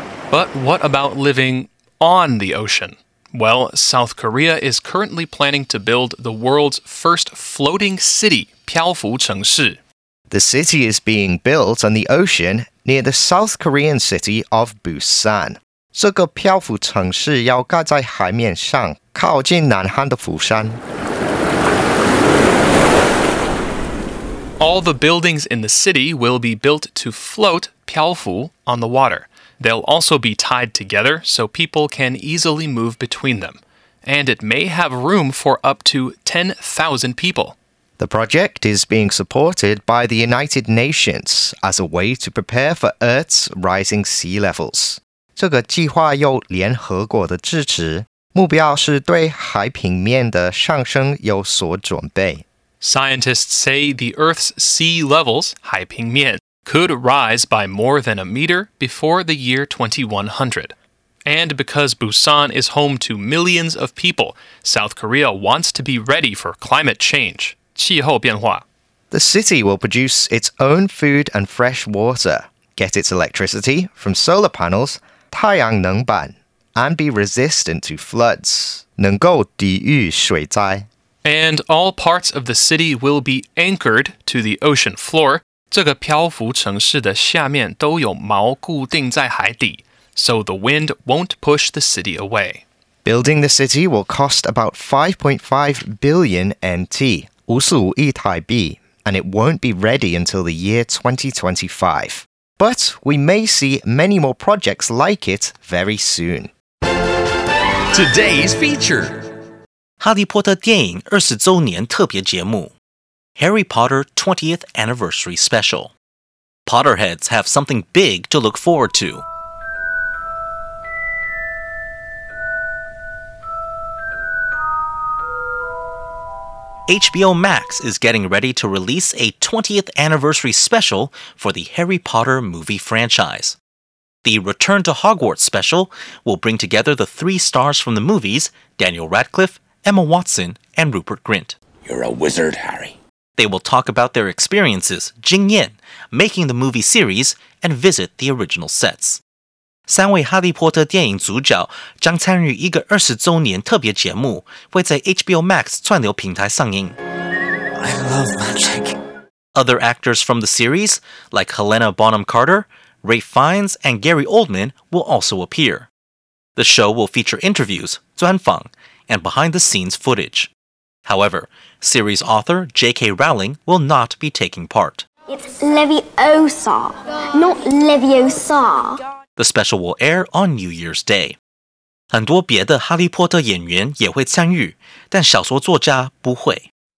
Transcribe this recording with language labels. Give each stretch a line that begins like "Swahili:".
English: But what about living on the ocean? Well, South Korea is currently planning to build the world's first floating city,
Chinese: 漂浮城市.
English: The city is being built on the ocean near the South Korean city of Busan.
Chinese: 这个漂浮城市要盖在海面上，靠近南韩的釜山。
English: All the buildings in the city will be built to float,
Chinese: 漂浮,
English: on the water. They'll also be tied together so people can easily move between them. And it may have room for up to 10,000 people. The project is being supported by the United Nations as a way to prepare for Earth's rising sea levels.
Chinese: 这个计划有联合国的支持，目标是对海平面的上升有所准备。
English: Scientists say the Earth's sea levels,
Chinese: 海平面,
English: could rise by more than a meter before the year 2100. And because Busan is home to millions of people, South Korea wants to be ready for climate change,
Chinese: 气候变化.
English: The city will produce its own food and fresh water, get its electricity from solar panels,
Chinese: 太阳能板,
English: and be resistant to floods,
Chinese: 能够抵御水灾。
English: And all parts of the city will be anchored to the ocean floor.
Chinese: 这个漂浮城市的下面都有锚固定在海底,
English: so the wind won't push the city away. Building the city will cost about 5.5 billion NT,
Chinese: 55亿台币,
English: and it won't be ready until the year 2025. But we may see many more projects like it very soon. Today's feature.
Chinese: 哈利波特电影二十周年特别节目
English: Harry Potter 20th Anniversary Special. Potterheads have something big to look forward to. HBO Max is getting ready to release a 20th Anniversary Special for the Harry Potter movie franchise. The Return to Hogwarts Special will bring together the three stars from the movies, Daniel Radcliffe,Emma Watson, and Rupert Grint. You're a wizard, Harry. They will talk about their experiences,
Chinese: 经验,
English: making the movie series, and visit the original sets.
Chinese: 三位哈利波特电影主角将参与一个二十周年特别节目，会在 HBO Max 串流平台上映。
English: I love magic. Other actors from the series, like Helena Bonham Carter, Ralph Fiennes, and Gary Oldman, will also appear. The show will feature interviews,
Chinese: 专访,
English: and behind-the-scenes footage. However, series author J.K. Rowling will not be taking part. It's Leviosa, not Leviosa. The special will air on New Year's Day.
Chinese: 很多别的哈利波特演员也会参与,但小说作家不会。